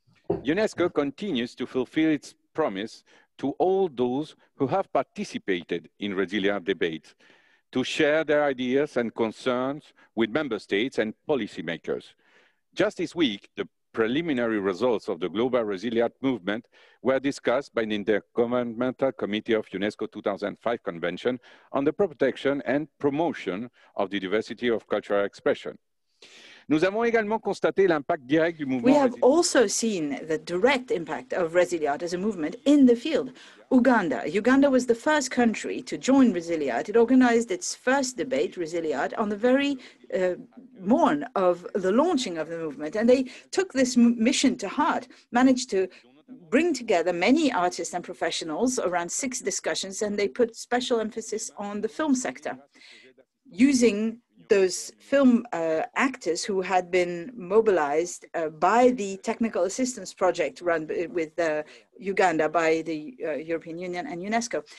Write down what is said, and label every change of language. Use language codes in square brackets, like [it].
[en] UNESCO continues to fulfill its promise to all those who have participated in ResiliArt debates to share their ideas and concerns with member states and policymakers. Just this week, the preliminary results of the Global ResiliArt Movement were discussed by the Intergovernmental Committee of UNESCO 2005 Convention on the Protection and Promotion of the Diversity of Cultural Expression. [fr] Nous avons également constaté l'impact direct du mouvement. [en] We have also seen the direct impact of ResiliArt as a movement in the field. Uganda. Uganda was the first country to join ResiliArt. It organized its first debate, ResiliArt, on the very morn of the launching of the movement. And they took this mission to heart, managed to bring together many artists and professionals around six discussions, and they put special emphasis on the film sector, using those film actors who had been mobilized by the technical assistance project run with Uganda by the European Union and UNESCO.